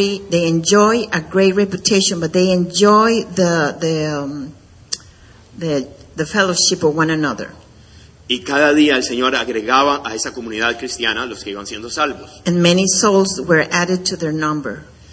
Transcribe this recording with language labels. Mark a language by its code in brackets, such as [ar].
[en] They enjoy a great reputation, but they enjoy the fellowship of one another. [es] Y cada día el Señor agregaba a esa comunidad cristiana los que iban siendo salvos. [en] And many souls were added to their number.